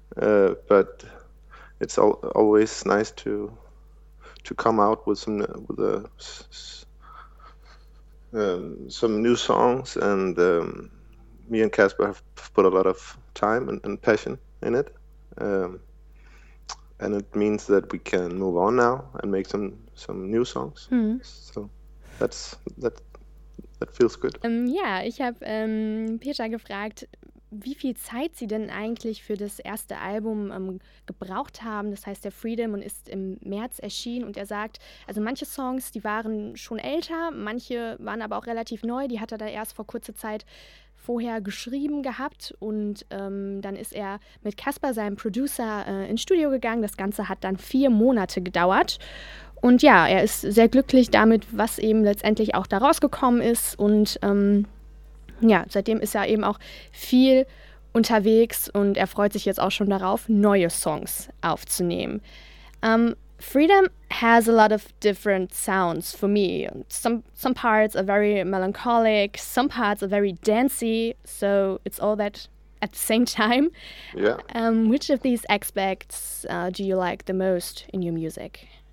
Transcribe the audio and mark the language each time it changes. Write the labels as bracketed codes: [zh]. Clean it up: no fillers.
[en] But it's always nice to come out with some new songs, and me and Casper have put a lot of time and passion in it, and it means that we can move on now and make some new songs. Mm. So that feels good. [de] Ich habe Peter gefragt, wie viel Zeit sie denn eigentlich für das erste Album gebraucht haben. Das heißt, der Freedom, und ist im März erschienen. Und er sagt, also manche Songs, die waren schon älter, manche waren aber auch relativ neu. Die hat er da erst vor kurzer Zeit vorher geschrieben gehabt. Und dann ist er mit Casper, seinem Producer, ins Studio gegangen. Das Ganze hat dann 4 Monate gedauert. Und ja, er ist sehr glücklich damit, was eben letztendlich auch da rausgekommen ist. Und ja, seitdem ist er eben auch viel unterwegs und er freut sich jetzt auch schon darauf, neue Songs aufzunehmen. [en] Freedom has a lot of different sounds for me. Some parts are very melancholic, some parts are very dancey, so it's all that at the same time. Yeah. Which of these aspects do you like the most in your music?